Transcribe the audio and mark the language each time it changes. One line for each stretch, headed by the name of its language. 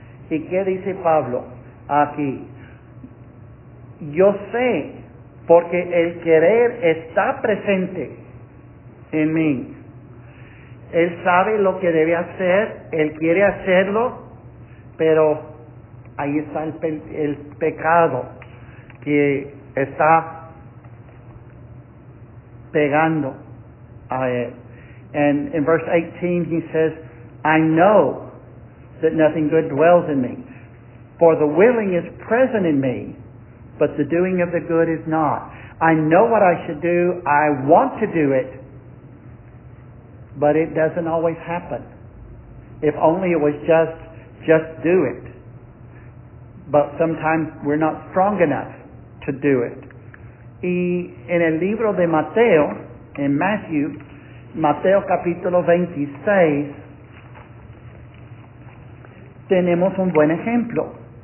Spanish: ¿Y qué dice Pablo aquí? Yo sé, porque el querer está presente en mí. Él sabe lo que debe hacer, él quiere hacerlo, pero ahí está el pecado que está pegando a él.
English: And in verse 18 he says, I know that nothing good dwells in me, for the willing is present in me, but the doing of the good is not. I know what I should do. I want to do it, but it doesn't always happen. If only it was just do it. But sometimes we're not strong enough to do it.
Spanish: Y en el libro de Mateo, en Matthew, Mateo capítulo 26, tenemos un buen ejemplo.